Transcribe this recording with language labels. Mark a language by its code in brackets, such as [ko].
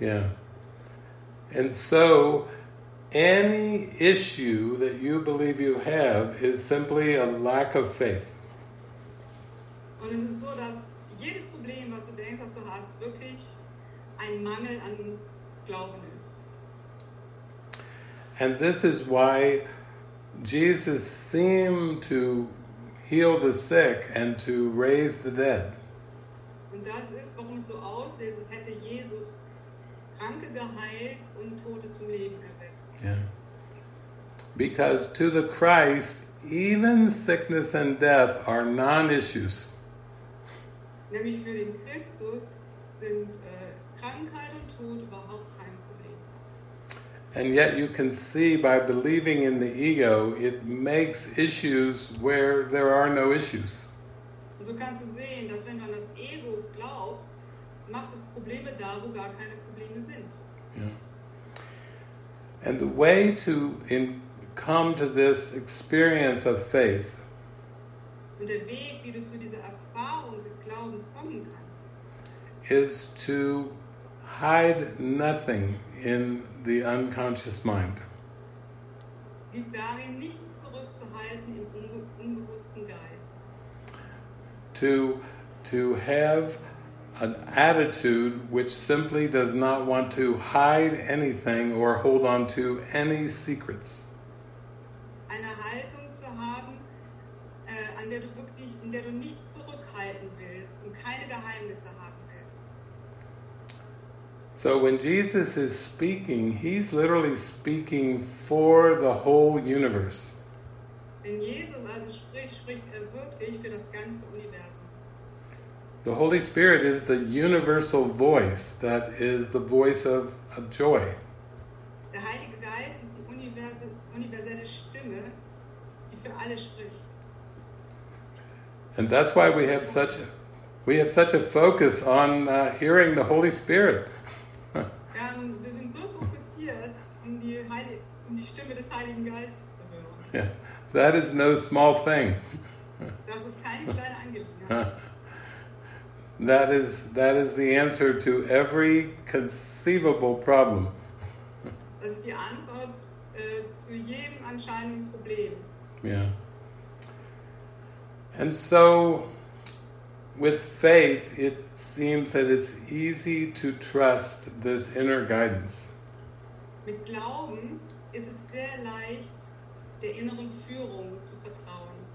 [en] Yeah. And so, any issue that you believe you have is simply a lack of faith. [de] Und es ist so, dass jedes Problem, was du denkst, was du hast, wirklich ein Mangel an Glauben ist. [en] And this is why Jesus seemed to heal the sick and to raise the dead. [de] Und das ist, warum es so aussieht, als hätte Jesus Kranke geheilt und Tote zum Leben erweckt. [en] Yeah. Because to the Christ, even sickness and death are non-issues. [de] Nämlich für den Christus sind Krankheit und Tod überhaupt. [en] And yet you can see by believing in the ego, it makes issues where there are no issues. [de] Und so kannst du sehen, dass wenn du an das Ego glaubst, macht es Probleme da, wo gar keine Probleme sind. [en] Yeah. And the way to come to this experience of faith, [de] und der Weg, wie du zu dieser Erfahrung des Glaubens kommen kannst, [en] is to hide nothing in the unconscious mind. [de] Gib darin nichts zurückzuhalten im unbewussten Geist. [en] To have an attitude which simply does not want to hide anything or hold on to any secrets. [de] Eine Haltung zu haben, an der du wirklich, in der du nichts zurückhalten willst und keine Geheimnisse haben willst. [en] So when Jesus is speaking, he's literally speaking for the whole universe. [de] Wenn Jesus also spricht, spricht er wirklich für das ganze Universum. [en] The Holy Spirit is the universal voice that is the voice of joy. [de] Der Heilige Geist ist die universelle Stimme, die für alle spricht. [en] And that's why we have such a focus on hearing the Holy Spirit. [de] Wir sind so fokussiert, um die Stimme des Heiligen Geistes zu hören. [en] Yeah. That is no small thing. [de] Das ist keine kleine Angelegenheit. [en] That is the answer to every conceivable problem. [de] Das ist die Antwort zu jedem anscheinenden Problem. [en] Yeah. And so, with faith, it seems that it's easy to trust this inner guidance. [de] Mit Glauben ist es sehr leicht, der inneren Führung zu vertrauen.